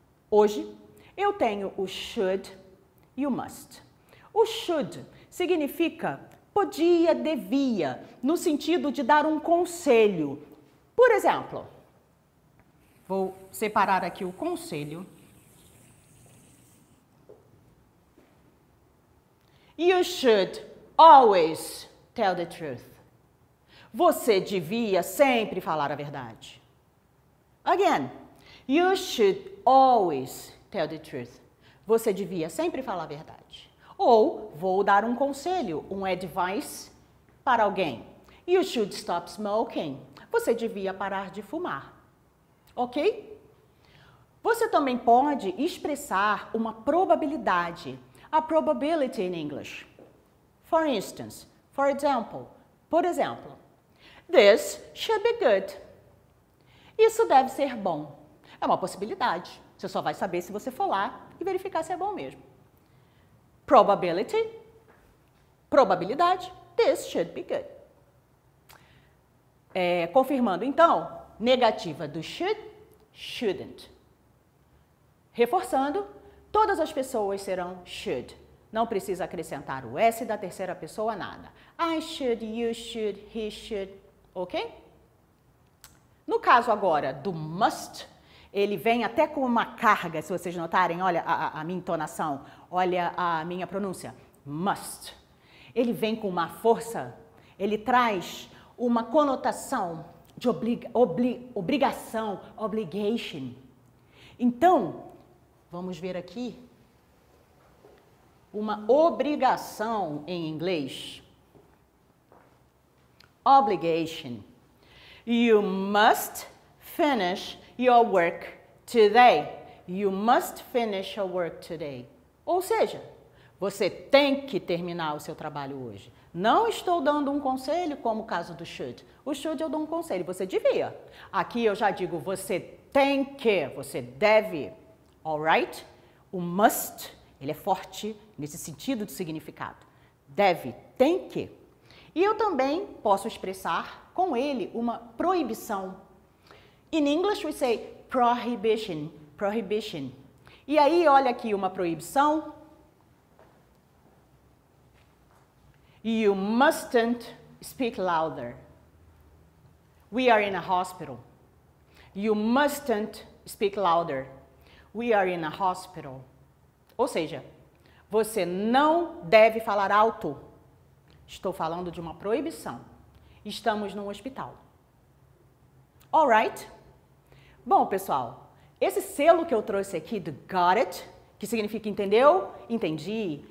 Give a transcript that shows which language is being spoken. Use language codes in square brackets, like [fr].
[pt] Hoje, eu tenho o should e o must. O should significa podia, devia, no sentido de dar um conselho. Por exemplo, vou separar aqui o conselho. [en] You should always tell the truth. [pt] Você devia sempre falar a verdade. [en] Again, you should always tell the truth. [pt] Você devia sempre falar a verdade. Ou vou dar um conselho, um advice para alguém. [en] You should stop smoking. [pt] Você devia parar de fumar. Ok? Você também pode expressar uma probabilidade. [en] A probability in English. For instance, for example. [pt] Por exemplo, [en] this should be good. [pt] Isso deve ser bom. É uma possibilidade. Você só vai saber se você for lá e verificar se é bom mesmo. [en] Probability. Probabilidade. This should be good. [pt] Confirmando, então, negativa do should, shouldn't. Reforçando, todas as pessoas serão should. Não precisa acrescentar o S da terceira pessoa, nada. [en] I should, you should, he should. Ok? [pt] No caso agora do must, ele vem até com uma carga, se vocês notarem, olha a minha entonação, olha a minha pronúncia, must. Ele vem com uma força, ele traz uma conotação de obrigação, obligation. Então, vamos ver aqui, uma obrigação em inglês, obligation. [en] You must finish your work today. You must finish your work today. [pt] Ou seja, você tem que terminar o seu trabalho hoje. Não estou dando um conselho como o caso do should. O should eu dou um conselho, você devia. Aqui eu já digo, você tem que, você deve. [en] Alright? [pt] O must, ele é forte nesse sentido de significado. Deve, tem que. E eu também posso expressar com ele uma proibição. [en] In English we say prohibition, prohibition. [pt] E aí, olha aqui uma proibição. [en] You mustn't speak louder. We are in a hospital. You mustn't speak louder. We are in a hospital. [pt] Ou seja, você não deve falar alto. Estou falando de uma proibição. Estamos num hospital. [en] Alright? [pt] Bom, pessoal, esse selo que eu trouxe aqui do got it, que significa entendeu? Entendi.